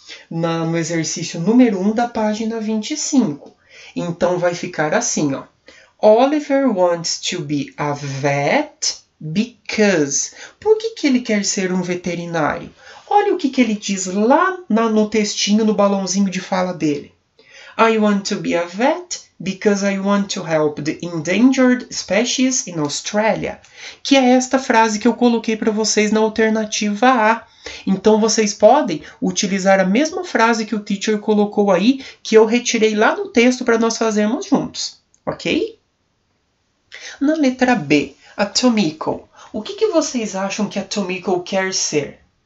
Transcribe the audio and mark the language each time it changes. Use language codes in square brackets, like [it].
[pt] No exercício número 1 da página 25. Então vai ficar assim, ó. [en] Oliver wants to be a vet because. [pt] Por que que ele quer ser um veterinário? Olha o que que ele diz lá no textinho, no balãozinho de fala dele. [en] I want to be a vet because I want to help the endangered species in Australia. [pt] Que é esta frase que eu coloquei para vocês na alternativa A. Então vocês podem utilizar a mesma frase que o teacher colocou aí, que eu retirei lá do texto para nós fazermos juntos, ok? Na letra B, a Tomiko. O que que vocês acham que a Tomiko quer ser?